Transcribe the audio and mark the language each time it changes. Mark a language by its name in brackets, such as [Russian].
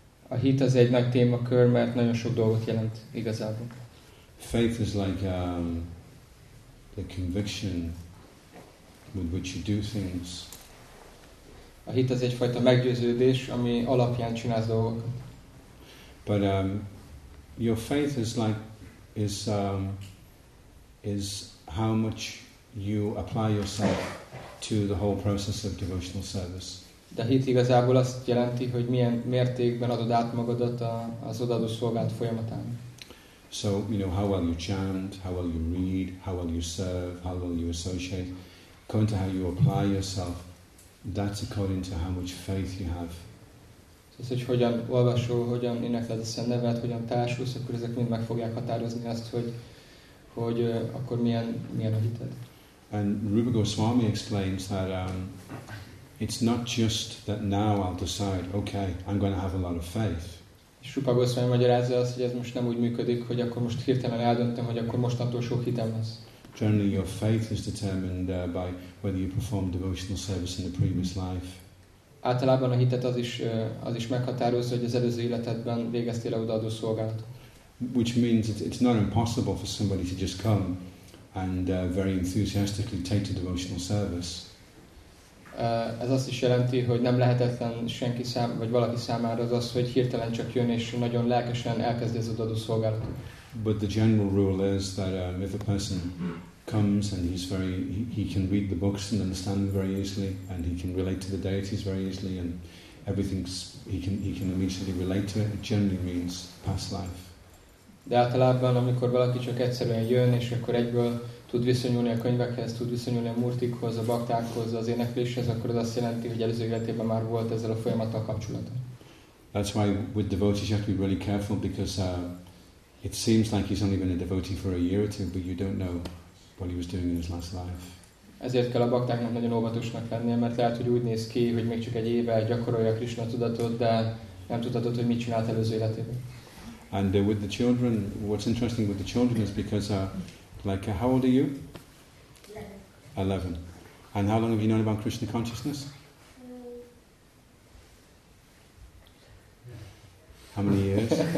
[Hungarian] A hit az egy nagy témakör, mert nagyon sok dolgot jelent igazából. [English] Faith is like the conviction with which you do things. [Hungarian] A hit az egyfajta meggyőződés, ami alapján csinálsz dolgokat. [English] But your faith is how much you apply yourself to the whole process of devotional service. [Hungarian] De hit igazából azt jelenti, hogy milyen mértékben adod át magadat az odaadó szolgálat folyamatán. [English] So, you know, how well you chant, how well you read, how well you serve, how well you associate, according to how you apply yourself, that's according to how much faith you have. [Hungarian] Szóval, hogy hogyan olvasol, hogyan énekled a szent nevet, hogyan társulsz, akkor ezek mind meg fogják határozni azt, hogy akkor milyen a hited. [English] And Rupa Goswami explains that it's not just that now I'll decide, okay, I'm going to have a lot of faith. [Hungarian] Rupa Goswami magyarázza azt, hogy ez most nem úgy működik, hogy akkor most hirtelen eldöntöm, hogy akkor mostantól sok hitem lesz. [English] Generally, your faith is determined by whether you performed devotional service in the previous life. [Hungarian] Általában a hitet az is meghatározza, hogy az előző életedben végeztél-e odaadó szolgálatot. [English] Which means it's not impossible for somebody to just come and very enthusiastically take to devotional service. [Hungarian] Ez azt is jelenti, hogy nem lehetetlen senki számára, vagy valaki számára az, hogy hirtelen csak jön és nagyon lelkesen elkezdi az odaadó szolgálatot. [English] But the general rule is that if a person comes and he's very, he can read the books and understand them very easily, and he can relate to the deities very easily, and everything's, he can immediately relate to it. It generally means past life. [Hungarian] De általában, amikor valaki csak egyszerűen jön, és akkor egyből tud viszonyulni a könyvekhez, tud viszonyulni a murtikhoz, a baktákhoz, az énekléshez, akkor az azt jelenti, hogy előző életében már volt ezzel a folyamattal kapcsolata. [English] That's why with devotees you have to be really careful, because it seems like he's only been a devotee for a year or two, but you don't know what he was doing in his last life. [Hungarian] Ezért kell a baktáknak nagyon óvatosnak lennie, mert lehet, hogy úgy néz ki, hogy még csak egy éve gyakorolja a Krishna tudatot, de nem tudhatod, hogy mit csinált előző életében. [English] And with the children, what's interesting with the children is because, how old are you? 11. 11. And how long have you known about Krishna consciousness? How many years?